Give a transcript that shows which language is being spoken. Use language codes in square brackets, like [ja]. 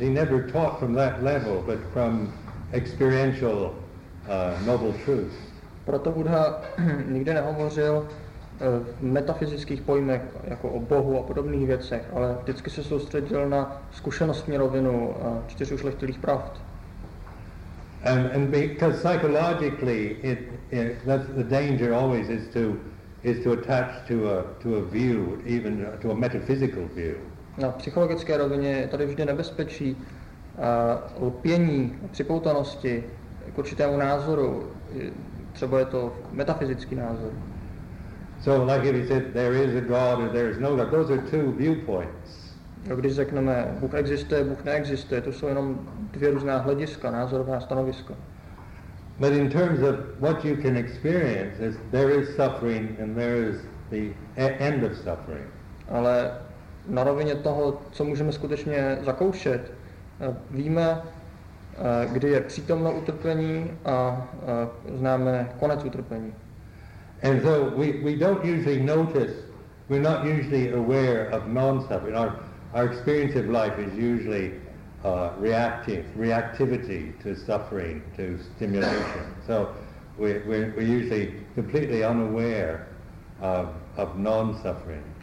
[en] He never taught from that level, but from experiential noble truth. [cs] Proto Buddha nikdy nehovořil v metafyzických pojmech jako o Bohu a podobných věcech, ale vždycky se soustředil na zkušenostní rovinu čtyř ušlechtilých pravd. [en] And because psychologically that's the danger always is to attach to a view, even to a metaphysical view. [cs] Na psychologické rovině je tady vždy nebezpečí lpění, připoutanosti k určitému názoru, třeba je to metafyzický názor. [en] So like if you said there is a God or there is no God, those are two viewpoints. [cs] Když řekneme, Bůh existuje, Bůh neexistuje, to jsou jenom dvě různá hlediska, názorová stanoviska. [en] But in terms of what you can experience, is there is suffering and there is the end of suffering. [cs] Ale na rovině toho, co můžeme skutečně zakoušet, víme, kdy je přítomno utrpení a známe konec utrpení. [en] And so we don't usually notice, we're not usually aware of non-suffering. Our experience of life is usually reactivity to suffering, to stimulation. So we're usually completely unaware of non-suffering.